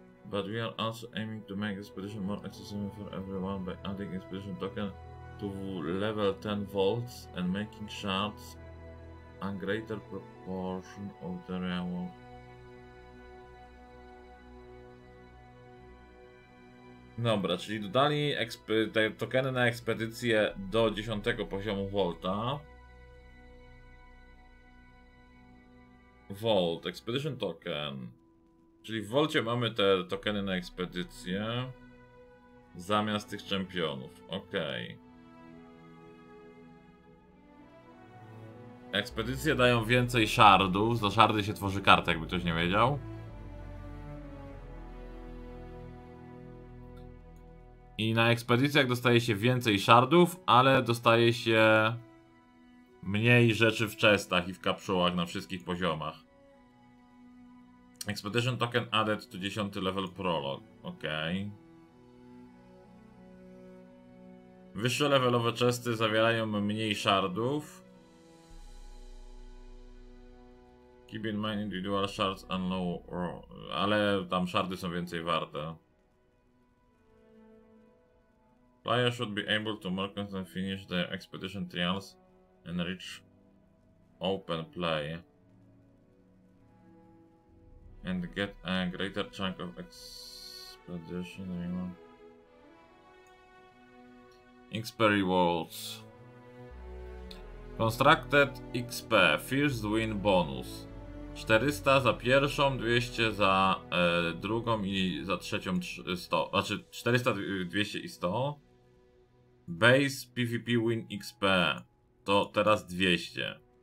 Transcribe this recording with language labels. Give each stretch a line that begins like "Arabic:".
English: But we are also aiming to make Expedition more accessible for everyone by adding Expedition Token to level 10 Vaults and making shards a greater proportion of the reward
Polish: Dobra, czyli dodali te tokeny na ekspedycję do 10 poziomu Volta. Volt, Expedition Token. Czyli w Volcie mamy te tokeny na ekspedycję. Zamiast tych czempionów. Okej. Okay. Ekspedycje dają więcej shardów. Za shardy się tworzy kartę, jakby ktoś nie wiedział. I na ekspedycjach dostaje się więcej shardów, ale dostaje się mniej rzeczy w chestach i w kapsułach na wszystkich poziomach.
English: Expedition Token added to 10 level prologue.
Polish: Okej. Okay. Wyższe levelowe chesty zawierają mniej shardów.
English: Keep in mind individual shards and low...
Polish: Ale tam shardy są więcej warte.
English: Players should be able to mark and finish the expedition trials and reach open play. And get a greater chunk of expedition reward. XP rewards. Constructed XP, first win bonus.
Polish: 400 za pierwszą, 200 za drugą i za trzecią 100. Znaczy 400, 200 i 100.
English: Base PvP win XP
Polish: to teraz 200.